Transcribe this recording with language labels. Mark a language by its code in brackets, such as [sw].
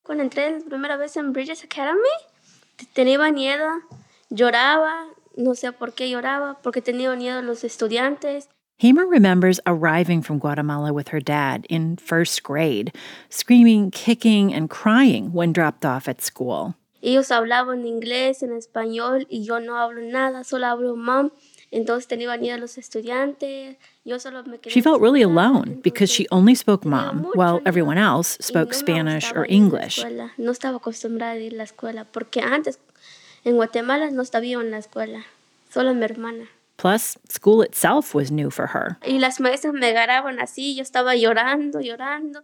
[en] When I entered the first time in Bridges Academy, I had fear. I cried. I don't know why I cried, because I had fear of the students. Hamer remembers arriving from Guatemala with her dad in first grade, screaming, kicking, and crying when dropped off at school. [es] Ellos hablaban inglés, en español, y yo no hablo nada, solo hablo mam. Entonces tenía miedo a los estudiantes. [en] She felt really alone because she only spoke mam, while everyone else spoke Spanish or English. [es] No estaba acostumbrada a ir a la escuela porque antes en Guatemala no estaba en la escuela, solo mi hermana. [en] Plus, school itself was new for her. [es] Y las maestras me agarraban así, yo estaba llorando, llorando.